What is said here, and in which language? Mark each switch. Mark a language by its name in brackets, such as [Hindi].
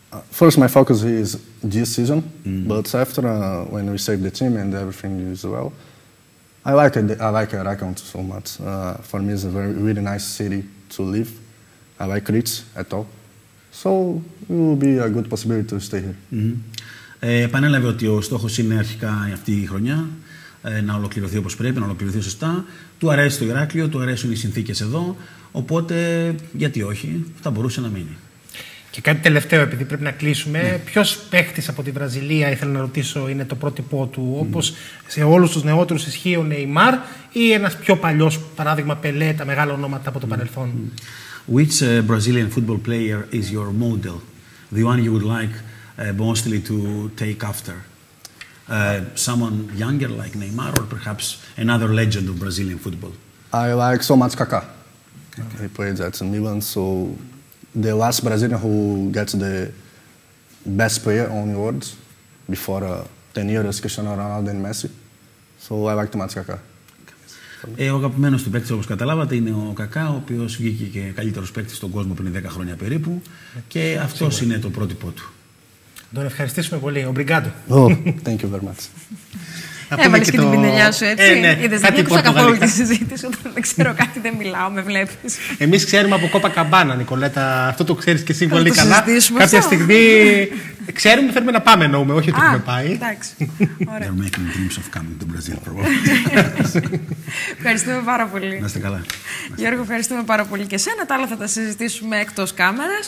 [English] First, my focus is this season, mm-hmm. but after when we save the team and everything is well, I like Heraklion so much. For me, it's a very really nice city to live. I like Crete at all, so it will be a good possibility to stay here. Mm-hmm. [Greek] Επανέλαβε ότι ο στόχος είναι αρχικά αυτή η χρονιά να ολοκληρωθεί όπως πρέπει, να ολοκληρωθεί σωστά. Του αρέσει το Ηράκλειο, του αρέσουν οι συνθήκες εδώ, οπότε γιατί όχι, θα μπορούσε να μείνει. Και κάτι τελευταίο, επειδή πρέπει να κλείσουμε. Ναι. Ποιος παίκτης από τη Βραζιλία, ήθελα να ρωτήσω, είναι το πρότυπό του, όπως σε όλους τους νεότερους ισχύει ο Νεϊμάρ ή ένας πιο παλιός, παράδειγμα Πελέ, τα μεγάλα ονόματα από το παρελθόν? [English] Which Brazilian football player is your model, the one you would like mostly to take after? Someone younger like Neymar or perhaps another legend of Brazilian football? I like so much Kaká. Okay. He played at Milan, so the last Brazilian who gets the best player on the world before 10 years, Cristiano Ronaldo and Messi. So I like to match Kaká. [Greek] Ο αγαπημένος του παίκτης, όπως καταλάβατε, είναι ο Κακά, ο οποίος βγήκε και καλύτερος παίκτης στον κόσμο πριν 10 χρόνια περίπου. Και αυτό είναι το πρότυπό του. Τον ευχαριστήσουμε πολύ. [Portuguese] Ομπριγκάντο. [English] Oh, thank you very much. [Greek] Έβαλες και την πινελιά σου, έτσι. Είδες, δεν ακούσα καθόλου τη συζήτηση. Όταν δεν ξέρω κάτι, δεν μιλάω, με βλέπεις. Εμείς ξέρουμε από Κόπα Καμπάνα, Νικολέτα. Αυτό το ξέρεις και εσύ πολύ καλά. Συζητήσουμε κάποια αυτό. Στιγμή. Ξέρουμε, θέλουμε να πάμε, εννοούμε. Όχι ότι έχουμε πάει. Εντάξει. [English] We're making dreams of coming to Brazil, probably. [Greek] Ευχαριστούμε πάρα πολύ. Να είστε καλά. Γιώργο, ευχαριστούμε πάρα πολύ και εσένα. Τα άλλα θα τα συζητήσουμε εκτός κάμερας.